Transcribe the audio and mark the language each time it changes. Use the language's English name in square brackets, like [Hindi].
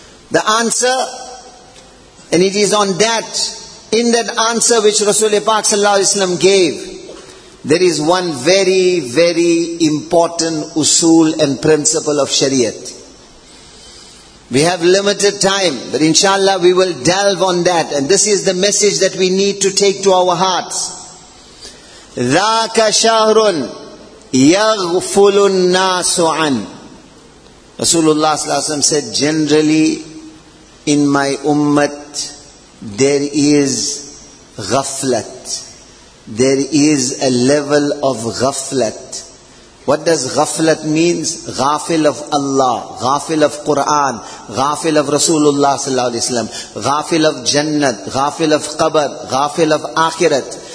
[English] The answer, and it is on that, in that answer which Rasul Pak sallallahu alaihi wasallam gave, there is one very, very important usul and principle of Shariat. We have limited time, but inshallah we will delve on that. And this is the message that we need to take to our hearts. [Arabic] ذَاكَ شَهْرٌ يَغْفُلُ النَّاسُ عَنْ Rasulullah s.a.w. [English] said, generally in my ummah there is ghaflat. There is a level of ghaflat. What does ghaflat mean? Ghafil of Allah, ghafil of Quran, ghafil of Rasulullah sallallahu alaihi wasallam, ghafil of Jannat, ghafil of Qabr, ghafil of Akhirat.